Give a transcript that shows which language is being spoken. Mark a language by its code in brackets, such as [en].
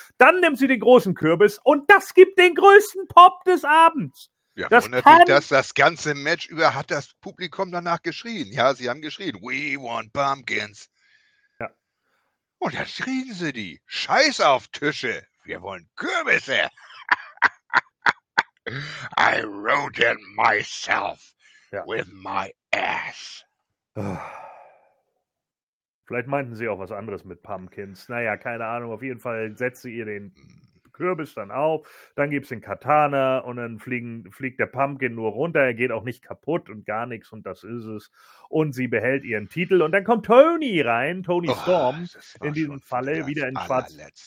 [de] Dann nimmt sie den großen Kürbis und das gibt den größten Pop des Abends. Ja, das wundert kann... mich, dass das ganze Match über hat das Publikum danach geschrien. Ja, sie haben geschrien, [en] we want pumpkins. [de] Und da schrien sie die Scheiß auf Tische. Wir wollen Kürbisse. [en] I wrote it myself with my ass. [de] Vielleicht meinten sie auch was anderes mit Pumpkins. Naja, keine Ahnung. Auf jeden Fall setzt sie ihr den Kürbis dann auf. Dann gibt es den Katana und dann fliegt der Pumpkin nur runter. Er geht auch nicht kaputt und gar nichts und das ist es. Und sie behält ihren Titel und dann kommt Tony rein, Tony Storm, in diesem Falle wieder in Schwarz.